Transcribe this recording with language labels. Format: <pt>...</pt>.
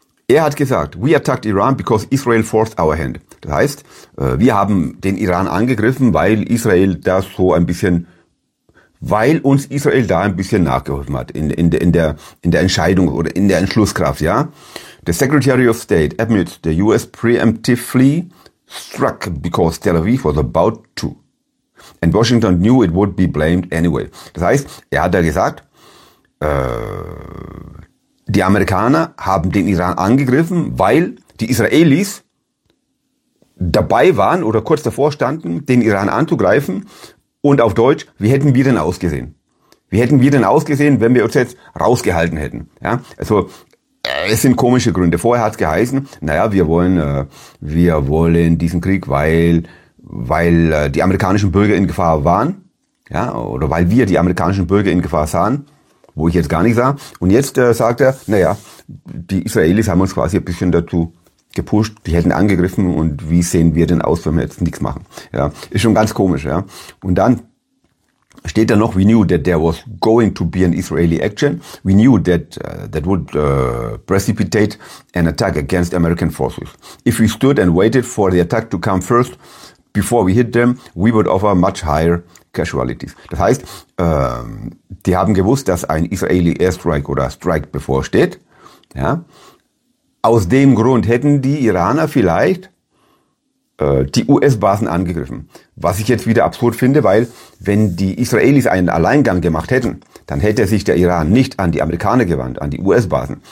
<de>Er hat gesagt,</de> <en>we attacked Iran because Israel forced our hand.</en> <de>Das heißt, wir haben den Iran angegriffen, weil Israel da so ein bisschen, weil uns Israel da ein bisschen nachgeholfen hat in der Entscheidung oder in der Entschlusskraft, ja.</de> <en>The Secretary of State admits the US preemptively struck because Tel Aviv was about to. And Washington knew it would be blamed anyway.</en> <de>Das heißt, er hat da gesagt, die Amerikaner haben den Iran angegriffen, weil die Israelis dabei waren oder kurz davor standen, den Iran anzugreifen. Und auf Deutsch, wie hätten wir denn ausgesehen? Wie hätten wir denn ausgesehen, wenn wir uns jetzt rausgehalten hätten? Ja, also es sind komische Gründe. Vorher hat es geheißen, naja, wir wollen diesen Krieg, weil die amerikanischen Bürger in Gefahr waren, ja, oder weil wir die amerikanischen Bürger in Gefahr sahen, wo ich jetzt gar nicht sah. Und jetzt sagt er, naja, die Israelis haben uns quasi ein bisschen dazu gepusht, die hätten angegriffen und wie sehen wir denn aus, wenn wir jetzt nichts machen? Ja, ist schon ganz komisch, ja. Und dann steht da noch,</de> <en>we knew that there was going to be an Israeli action. We knew that that would precipitate an attack against American forces. If we stood and waited for the attack to come first, before we hit them, we would offer much higher casualties.</en> <de>Das heißt, die haben gewusst, dass ein Israeli Airstrike oder Strike bevorsteht. Ja. Aus dem Grund hätten die Iraner vielleicht die US-Basen angegriffen. Was ich jetzt wieder absurd finde, weil wenn die Israelis einen Alleingang gemacht hätten, dann hätte sich der Iran nicht an die Amerikaner gewandt, an die US-Basen.</de>